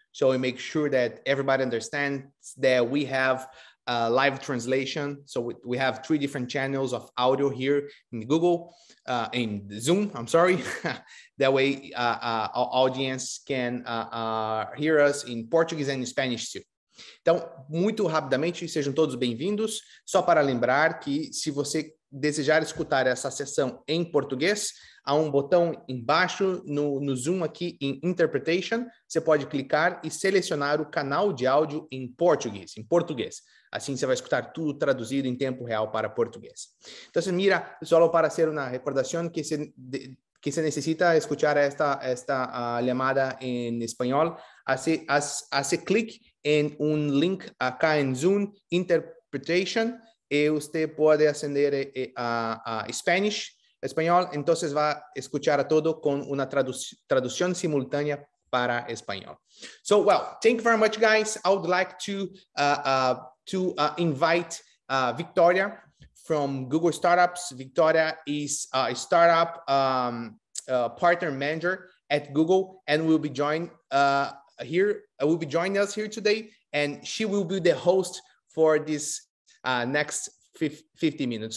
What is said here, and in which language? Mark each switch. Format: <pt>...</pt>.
<en>So we make sure that everybody understands that we have a live translation. So we have three different channels of audio here in Google, in Zoom, I'm sorry. That way our audience can hear us in Portuguese and Spanish too.</en> <pt>Então, muito rapidamente, sejam todos bem-vindos. Só para lembrar que se você desejar escutar essa sessão em português, há um botão embaixo no Zoom aqui em Interpretation. Você pode clicar e selecionar o canal de áudio em português, em português. Assim você vai escutar tudo traduzido em tempo real para português.</pt> <es>Então, mira, solo para hacer una recordación que se necesita escuchar esta llamada en español, hace clic en un link acá en Zoom, Interpretation, y usted puede acceder a Spanish, español, entonces va a escuchar a todo con una traducción simultánea para español.</es> <en>So, well, thank you very much, guys. I would like to invite Victoria from Google Startups. Victoria is a startup partner manager at Google and will be joining us here today, and she will be the host for this next 50 minutes.</en>